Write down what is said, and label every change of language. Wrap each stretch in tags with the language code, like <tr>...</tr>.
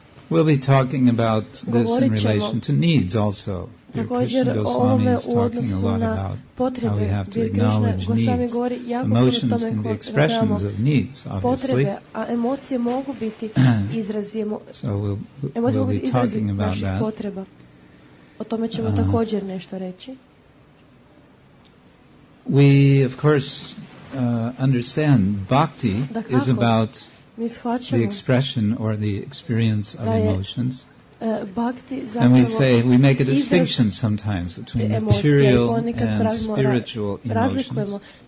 <en>We'll be talking about this in relation to needs also. Dear Krishna Goswami is talking a lot about how we have to acknowledge needs. Emotions can be expressions of needs, obviously.</en> <hr>A emocije mogu biti izrazi</hr> <en>we'll be talking about that.</en> <hr>O tome ćemo također nešto reći.</hr> <en>We, of course, understand bhakti is about the expression or the experience of emotions. And we say, we make a distinction sometimes between material and spiritual emotions.</en>